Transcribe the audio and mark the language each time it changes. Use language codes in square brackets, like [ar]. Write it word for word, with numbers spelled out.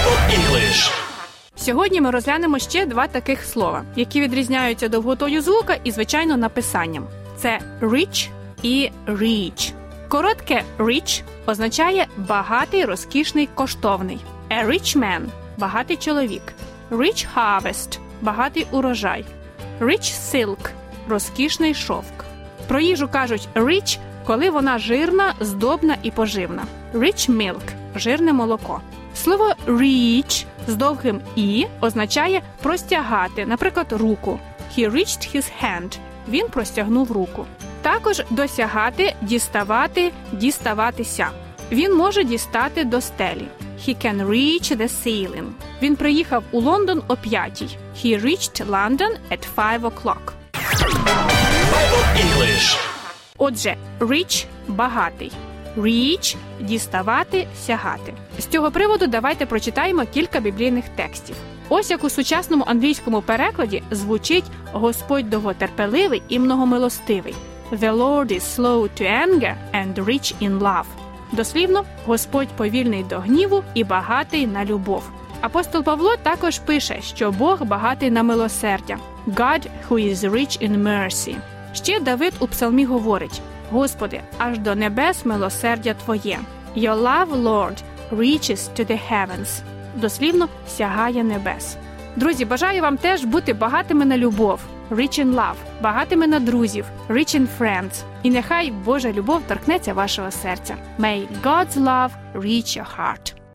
[en] English. [uk] Сьогодні ми розглянемо ще два таких слова, які відрізняються довготою звука і, звичайно, написанням. Це rich і reach. Коротке rich означає багатий, розкішний, коштовний. [en] A rich man – [uk] багатий чоловік. [en] Rich harvest – [uk] багатий урожай. [en] Rich silk – [uk] розкішний шовк. Про їжу кажуть rich, коли вона жирна, здобна і поживна. [en] Rich milk [uk] – жирне молоко. Слово «reach» з довгим «і» означає «простягати», наприклад, руку. [en] He reached his hand. [uk] Він простягнув руку. Також досягати, діставати, діставатися. Він може дістати до стелі. [en] He can reach the ceiling. [uk] Він приїхав у Лондон о п'ятій. [en] He reached London at five o'clock. English. [uk] Отже, «reach» – багатий. Reach – діставати, сягати. З цього приводу давайте прочитаємо кілька біблійних текстів. Ось як у сучасному англійському перекладі звучить «Господь довготерпеливий і многомилостивий». [en] The Lord is slow to anger and rich in love. [uk] Дослівно, Господь повільний до гніву і багатий на любов. Апостол Павло також пише, що Бог багатий на милосердя. [en] God who is rich in mercy. [uk] Ще Давид у псалмі говорить: Господи, аж до небес милосердя Твоє. [en] Your love, Lord, reaches to the heavens. [uk] Дослівно, сягає небес. Друзі, бажаю вам теж бути багатими на любов, [en] rich in love, [uk] багатими на друзів, [en] rich in friends. [uk] І нехай Божа любов торкнеться вашого серця. [en] May God's love reach your heart.